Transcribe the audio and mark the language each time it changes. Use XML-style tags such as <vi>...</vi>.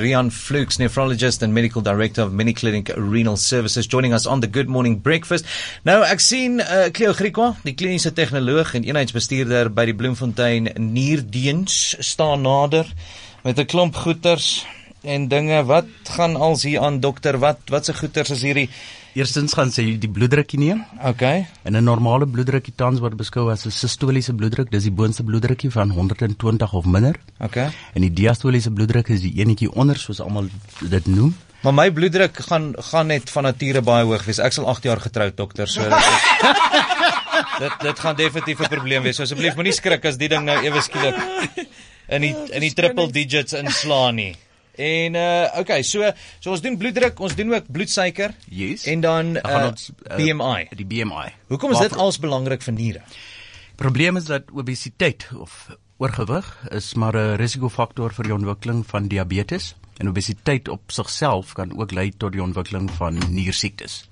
<en>Rian Fluks, nephrologist and medical director of Mediclinic Renal Services, joining us on the Good Morning Breakfast.</en> <af>Nou, ek sien Cleo Griekwa, die kliniese tegnoloog en eenheidsbestuurder by die Bloemfontein Nierdiens, staan nader met 'n klomp goeters en dinge. Wat gaan als hier aan, dokter? Wat se goeters is hierdie? Eerstens gaan sy die bloeddrukkie neem. Okay. En 'n normale bloeddrukkie tans word beskou as 'n systoliese bloeddruk. Dis die boonste bloeddrukkie van 120 of minder. Okay. En die diastoliese bloeddruk is die enetjie onder, soos almal dit noem. Maar my bloeddruk gaan net van nature baie hoog wees. Ek sal 8 jaar getroud, dokter, so dit gaan definitief 'n probleem wees. So asseblief moenie skrik as die ding nou ewe skielik in die</af> <en>triple digits</en> <af>inslaan nie. En, okay, so ons doen bloeddruk, ons doen ook bloedsuiker. Yes. En dan BMI. Die BMI. Hoekom is dit als belangrik vir niere? Probleem is dat obesiteit of oorgewig is maar 'n risikofaktor vir die ontwikkeling van diabetes. En obesiteit op sigself kan ook lei tot die ontwikkeling van nierziektes.</af>